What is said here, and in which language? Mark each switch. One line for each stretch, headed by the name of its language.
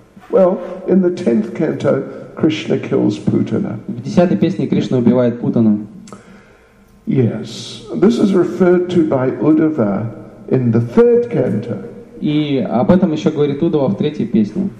English: Well, in the 10th canto, Krishna kills Putana.
Russian: В 10-й песне Кришна убивает Путану.
English: Yes, this is referred to by Uddhava in the 3rd canto.
Russian: И об этом еще говорит Уддхава в 3-й песне.